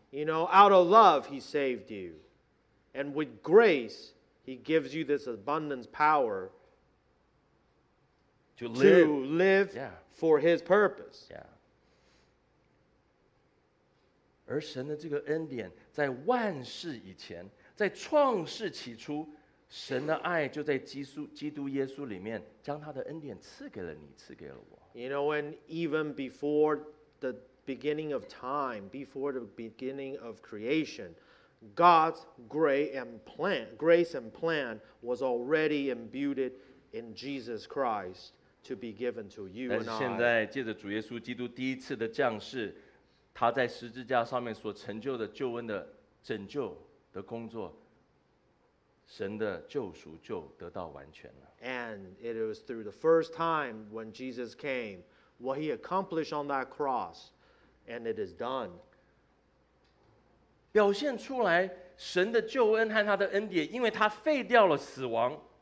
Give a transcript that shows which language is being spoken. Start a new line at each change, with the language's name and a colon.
English: You know, out of love He saved you, and with grace He gives you this abundance power to live, to live、 yeah. for His purpose. Yeah.
Chinese: 而神的这个恩典，在万事以前，在创世起初。神的爱就在基督耶稣里面将他的恩典赐给了你，赐给了我。
English: You know, and even before the beginning of time, before the beginning of creation, God's grace and plan was already imbued in Jesus Christ to be given to you and I.
Chinese: 但是现在借着主耶稣基督第一次的降世，他在十字架上面所成就的救恩的拯救的工作，神的救赎就得到完全了。
English: And it was through the first time when Jesus came, what He accomplished on that cross, and it is done.
Chinese: 表现出来神的救恩和他的恩典，因为他废掉了死亡。